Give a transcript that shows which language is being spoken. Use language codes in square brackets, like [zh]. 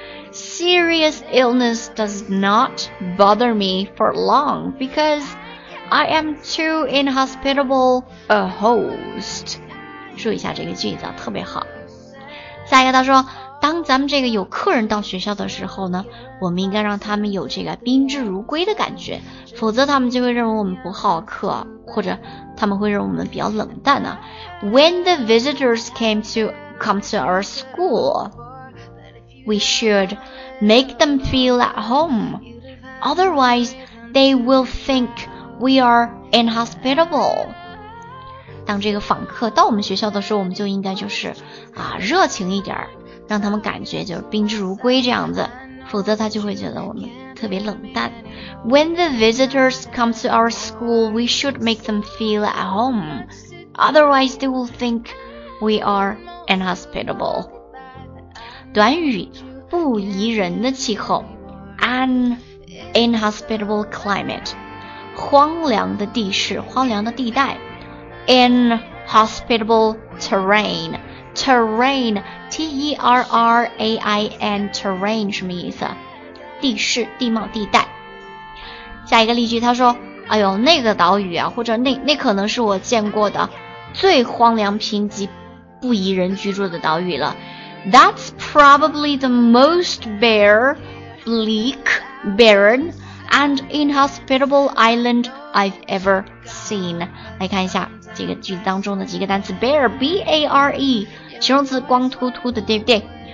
[en] Serious illness does not bother me for long because I am too inhospitable a host [zh] 注意一下这个句子特别好下一个他说当咱们这个有客人到学校的时候呢我们应该让他们有这个宾至如归的感觉否则他们就会认为我们不好客或者他们会认为我们比较冷淡啊 [en] When the visitors come to our school we should make them feel at home otherwise they will think we are inhospitable [zh] 当这个访客到我们学校的时候我们就应该就是啊热情一点让他们感觉就是宾至如归这样子否则他就会觉得我们特别冷淡 [en] When the visitors come to our school we should make them feel at home otherwise they will think we are inhospitable [zh] 短语不宜人的气候 [en] an inhospitable climate [zh] 荒凉的地势荒凉的地带 [en] inhospitable terrain T-E-R-R-A-I-N terrain [zh] 什么意思地势地貌地带下一个例句他说哎呦那个岛屿啊或者那可能是我见过的最荒凉贫瘠不宜人居住的岛屿了 [en] That's probably the most bare bleak barren and inhospitable island I've ever seen [zh] 来看一下这个句子当中的几个单词 bare B-A-R-E形容词光秃秃的对不对